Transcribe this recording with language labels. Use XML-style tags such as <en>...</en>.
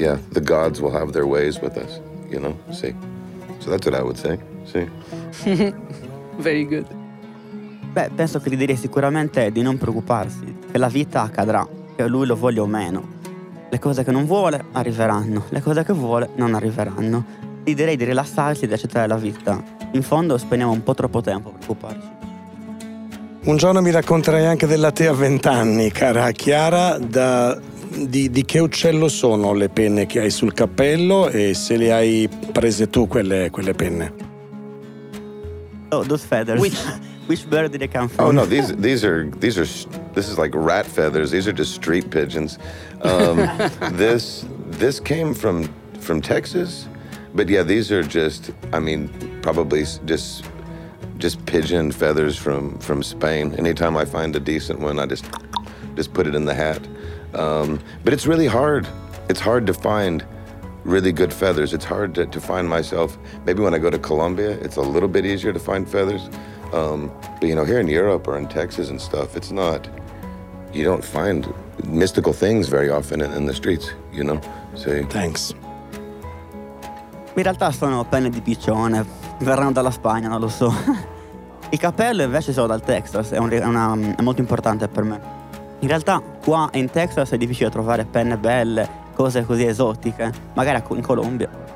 <en>The gods will have their ways with us, you know, see. So that's what I would say, see. Very good.</en> <it>Beh, penso che gli direi sicuramente di non preoccuparsi, che la vita accadrà, che lui lo voglia o meno. Le cose che non vuole arriveranno, le cose che vuole non arriveranno. Ti direi di rilassarsi e di accettare la vita. In fondo spendiamo un po' troppo tempo a preoccuparci. Un giorno mi racconterai anche della te a 20 anni, cara Chiara. Di che uccello sono le penne che hai sul cappello e se le hai prese tu quelle penne?</it> <en>Oh, those feathers. Which bird did they come from? Oh no, these are this is like rat feathers. These are just street pigeons. this came from Texas, but yeah, these are just, I mean, probably just pigeon feathers from Spain. Anytime I find a decent one, I just put it in the hat. But it's really hard. It's hard to find really good feathers. It's hard to find myself. Maybe when I go to Colombia, it's a little bit easier to find feathers. But you know, here in Europe or in Texas and stuff, it's not, you don't find mystical things very often in the streets, you know? So, thanks.</en> <it>In realtà sono penne di piccione, verranno dalla Spagna, non lo so. I capelli invece sono dal Texas, è molto importante per me. In realtà qua in Texas è difficile trovare penne belle, cose così esotiche, magari in Colombia.</it>